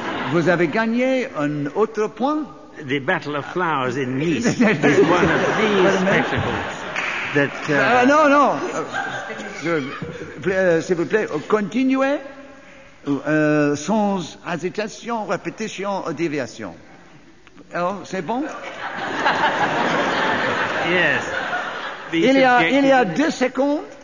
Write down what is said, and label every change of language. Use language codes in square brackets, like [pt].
[fr] Vous avez gagné un autre point? [en] The Battle of Flowers in Nice is one of these spectacles that... No. [fr] S'il vous plaît, continuez sans hésitation, répétition ou déviation. Alors, c'est bon? [en] Yes. [fr] Il y a 2 secondes.